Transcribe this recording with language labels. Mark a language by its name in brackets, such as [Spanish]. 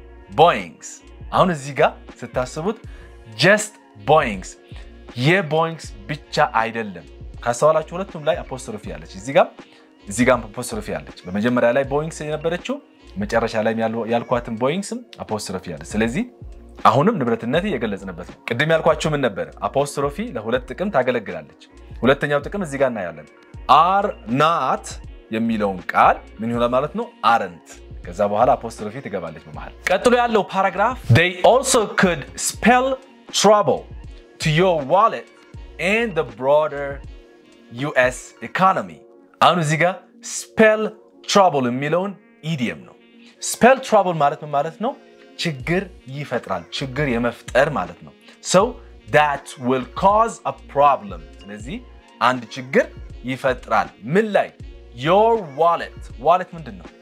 [Amharic] boeing's አሁን እዚህ ጋር ስታስቡት just boeing's የboeing's ብቻ አይደለም። ካሰዋላችሁ ሁለቱም ላይ apostrophe ያለች እዚህ ጋር apostrophe ያለች። በመጀመሪያ ላይ boeing's የነበረችው መጨረሻ ላይ ያልኳትም boeing'sም apostrophe ያለች። ስለዚህ አሁንም ንብረትነት የገለጸነበት ቀድም ያልኳችሁ ምን ነበር? apostrophe ለሁለት ጥቅም ታገለግላለች። ሁለተኛው ጥቅም እዚህ ጋር እናያለን። are not የሚለውን ቃል ምን ይሆናል ማለት ነው? [English] aren't [Amharic] ከዛ በኋላ apostrophe ትገባለች በመሃል። ቀጥሎ ያለው ፓራግራፍ [English] they also could spell trouble to your wallet and the broader US economy. [Amharic] አሁን እዚህ ጋር spell trouble የሚለውን idiom ነው። spell trouble ማለት ምን ማለት ነው? ችግር ይፈጥራል፣ ችግር የመፍጠር ማለት ነው። [English] so that will cause a problem [Amharic] ስለዚህ አንድ ችግር ይፈጥራል። ምን ላይ? [English] your wallet wallet [Amharic] ምንድን ነው?